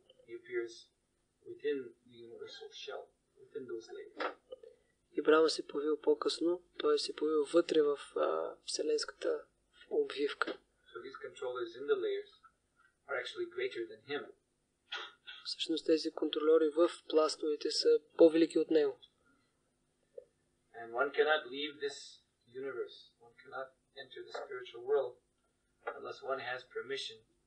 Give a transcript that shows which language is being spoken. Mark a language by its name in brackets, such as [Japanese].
[English] He appears within the universal shell, within those layers. [Bulgarian] И Брама се появил по-късно, той се появил вътре в вселенската обвивка. [English] So these controllers in the layers are actually greater than him. [Bulgarian] Всъщност тези контролери в пластовете са по-велики от него. [English] And one cannot leave this universe. One cannot enter the spiritual world unless one has permission.